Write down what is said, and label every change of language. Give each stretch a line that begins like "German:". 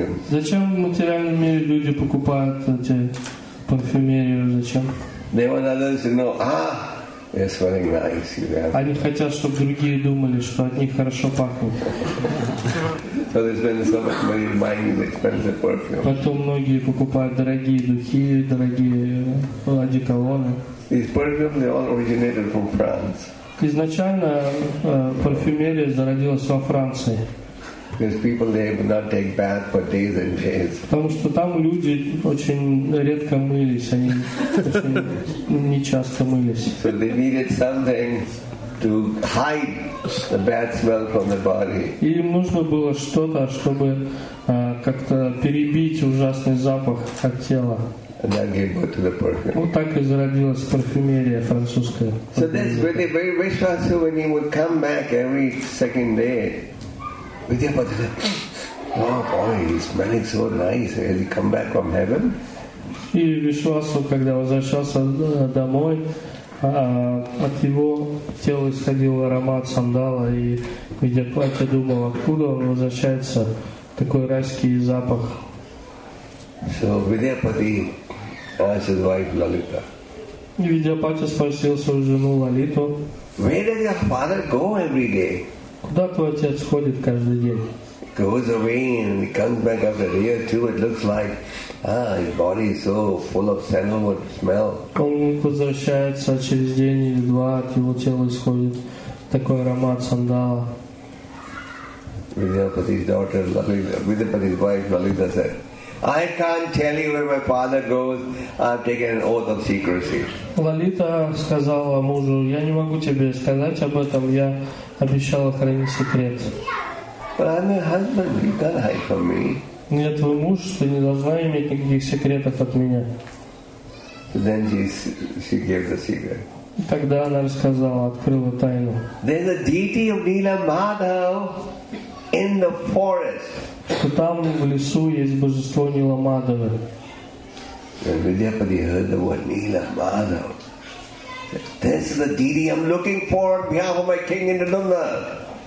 Russian: Зачем в материальном мире люди покупают эти парфюмерию? Зачем?
English: They want others to know, ah, you're smelling nice.
Russian: Они хотят, чтобы другие думали, что от них хорошо пахнет.
English: So they spend so much money buying these expensive perfumes.
Russian: Потом многие покупают дорогие духи, дорогие одеколоны.
English: These perfumes, they all originated from France.
Russian: Изначально парфюмерия зародилась во Франции.
English: Because people there would not take bath for days and days.
Russian: Потому что там люди очень редко мылись, они не часто мылись.
English: So they needed something to hide the bad smell from the body.
Russian: И им нужно было что-то, чтобы как-то перебить ужасный запах от тела.
English: And that gave birth to the perfume.
Russian: Вот так и зародилась парфюмерия французская.
English: So this really very Vishwasu, when he would come back every second day, Vidyapati said, oh boy, he's smelling so nice. Has he come back from heaven?
Russian: И Вишвасу, когда возвращался домой, от его тела исходил аромат сандала, и Видьяпати думал, откуда он возвращается, такой райский запах.
English: So Vidyapati asked his wife Lalita.
Russian: И Видьяпати спросил свою жену Лалиту,
English: where does your father go every day?
Russian: Куда твой отец ходит каждый день?
English: Goes away and he comes back after a day or two. It looks like, his body is so full of sandalwood smell.
Russian: Он возвращается через день или два, от его тела исходит такой аромат сандала.
English: Vidyapati's daughter, Vidyapati's wife, Lalita said, I can't tell you where my father goes. I've taken an oath of secrecy.
Russian: Лалита сказала мужу, я не могу тебе сказать об этом. Я обещала хранить секрет.
English: But I'm your husband. You can't hide from me.
Russian: Я твой муж. Ты не должна иметь никаких секретов от меня.
English: Then she gave the secret.
Russian: Тогда она рассказала, открыла тайну.
English: There's a deity of Nila Madhav in the forest.
Russian: Что там в лесу есть божество Нила Мадхава.
English: And Vidyapati heard the word Nila Madhav. This is the deity I'm looking for on behalf of my king in Nilamna.